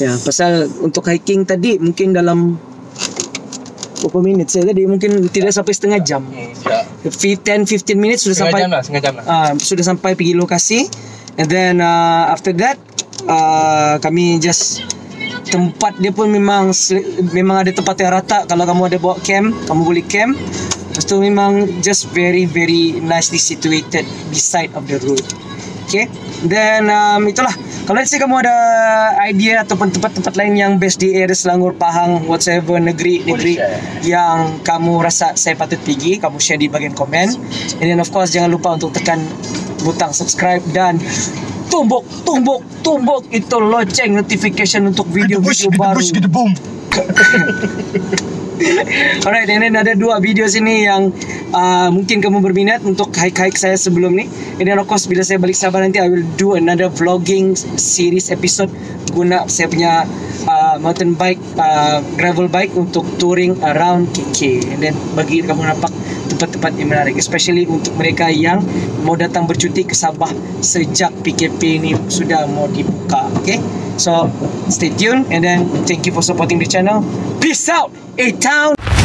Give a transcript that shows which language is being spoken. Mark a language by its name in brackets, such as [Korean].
[Malay] Ya, yeah, pasal untuk hiking tadi mungkin dalam berapa minit saya tadi, mungkin tidak sampai setengah jam. Ya. 10-15 minit sudah setengah Setengah jam lah, setengah jam lah. Sudah sampai pergi lokasi. [English] And then after that, [Malay] kami [English] just... [Malay] Tempat dia pun memang memang ada tempat yang rata. Kalau kamu ada bawa camp, kamu boleh camp. Lepas tu memang [English] just very very nicely situated beside of the road. Okay. Then [Malay] itulah. Kalau [English] let's say [Malay] kamu ada idea ataupun tempat-tempat lain yang best di area Selangor, Pahang, whatever negeri-negeri yang kamu rasa saya patut pergi, kamu share di bahagian komen. [English] And then of course [Malay] jangan lupa untuk tekan butang subscribe dan tumbuk, tumbuk, tumbuk itu loceng notification untuk video-video baru. [English] Push, get the boom. Alright, and then [Malay] ada dua video sini yang mungkin kamu berminat untuk hike-hike saya sebelum ni. [English] And then of course, [Malay] bila saya balik Sabah nanti, [English] I will do another vlogging series episode [Malay] guna saya punya [English] mountain bike, gravel bike untuk touring around KK. And then [Malay] bagi kamu nampak tempat-tempat yang menarik, especially untuk mereka yang mau datang bercuti ke Sabah sejak PKP ni sudah mau dibuka. [English] Okay, so stay tuned and then thank you for supporting the channel. Peace out, A-Town!